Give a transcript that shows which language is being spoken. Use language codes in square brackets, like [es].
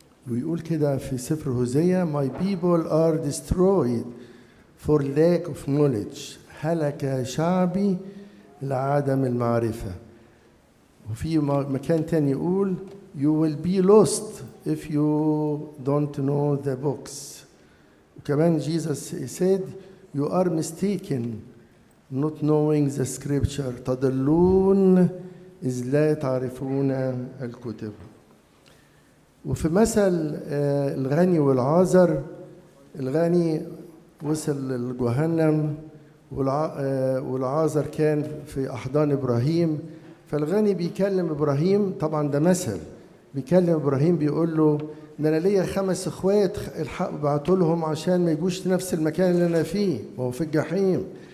[ar] ويقول كده في سفر هوزيا [en] My people are destroyed for lack of knowledge [ar] هلك شعبي لعدم المعرفة وفي مكان تاني يقول [en] You will be lost if you don't know the books. كمان Jesus said, you are mistaken not knowing the scripture. [ar] تضلون إذ لا تعرفون الكتب. وفي مثل الغني والعازر الغني وصل لجهنم والعازر كان في أحضان إبراهيم فالغني بيكلم إبراهيم طبعا ده مثل بيكلم إبراهيم بيقول له إن أنا ليا خمس إخوات الحق بعتوا لهم عشان ما يجوش نفس المكان اللي أنا فيه وهو في الجحيم